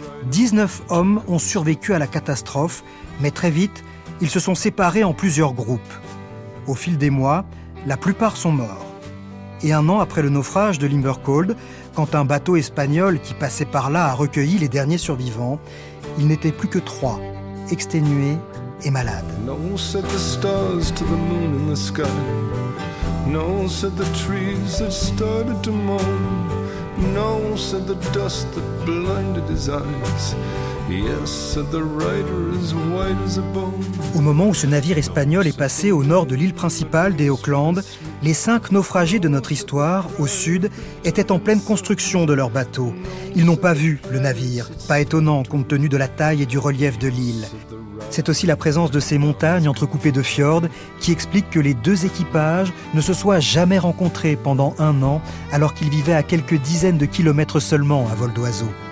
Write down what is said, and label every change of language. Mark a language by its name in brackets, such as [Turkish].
[French] 19 hommes ont survécu à la catastrophe, mais très vite, ils se sont séparés en plusieurs groupes. Au fil des mois, la plupart sont morts. Et un an après le naufrage de l'Invercold, quand un bateau espagnol qui passait par là a recueilli les derniers survivants, ils n'étaient plus que trois, exténués et malades. [English] No said the stars to the moon in the sky. No said the trees that started to moan. No said the dust that blinded his eyes. Yes, the rider is white as a bone. [French] Au moment où ce navire espagnol est passé au nord de l'île principale des Auckland, les cinq naufragés de notre histoire, au sud, étaient en pleine construction de leur bateau. Ils n'ont pas vu le navire, pas étonnant compte tenu de la taille et du relief de l'île. C'est aussi la présence de ces montagnes entrecoupées de fjords qui explique que les deux équipages ne se soient jamais rencontrés pendant un an alors qu'ils vivaient à quelques dizaines de kilomètres seulement à vol d'oiseau.